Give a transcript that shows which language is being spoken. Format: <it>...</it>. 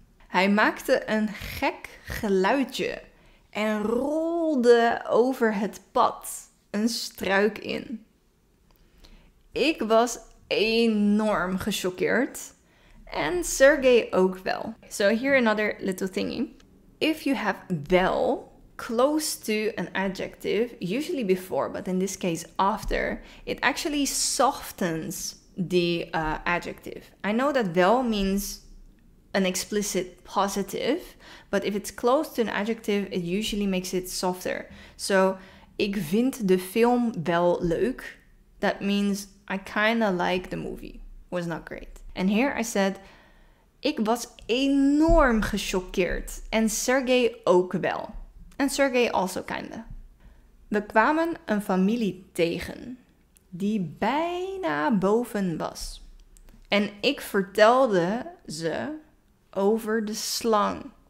<nl>Hij maakte een gek geluidje en rolde over het pad een struik in. Ik was enorm gechoqueerd en Sergey ook wel.</nl> <en>So here another little thingy. If you have wel close to an adjective, usually before, but in this case after, it actually softens the adjective. I know that wel means an explicit positive, but if it's close to an adjective, it usually makes it softer.</en> <nl>So, ik vind de film wel leuk.</nl> <en>That means I kind of like the movie. Was not great. And here I said,</en> <nl>ik was enorm gechoqueerd. En Sergey ook wel. En Sergei</nl> <en>also kinda.</en> <nl>We kwamen een familie tegen die bijna boven was. En ik vertelde ze over de slang.</nl>